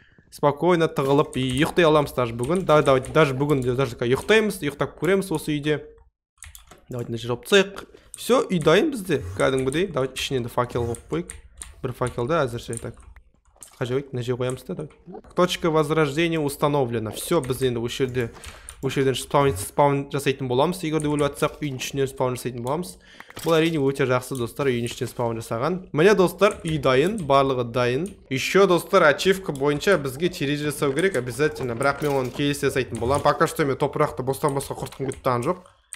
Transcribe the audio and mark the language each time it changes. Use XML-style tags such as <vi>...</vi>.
<kk>Спокойно тығылып и ұйықтай аламыз даже бүгін. Давай, давай, даже бүгін даже ұйықтаймыз, ұйықтап көреміз осы үйде. Давайте жауап тұрайық. Все, үй дайын бізде. Кәдімгідей. Давайте ішіне енді факел қойып қояйық. Бір факелді әзірше так. Қажет, мына жерге қоямыз да.</kk> <ru>Точка возрождения установлена.</ru> <kk>Все, біз енді осы жерде осы жерден спаун жасайтын боламыз. Егер де өліп атсақ, үйдің ішінен спаун жасайтын боламыз. Бұл әрине өте жақсы, достар, үйдің ішінен спаун жасаған. Міне, достар, үй дайын, барлығы дайын. Еще, достар, ачивка бойынша бізге терезе жасау керек обязательно. Бірақ мен оны келесі жасайтын боламын. Пока что мен топырақты бостан босқа құртқым кетіп тұрған жоқ.</kk>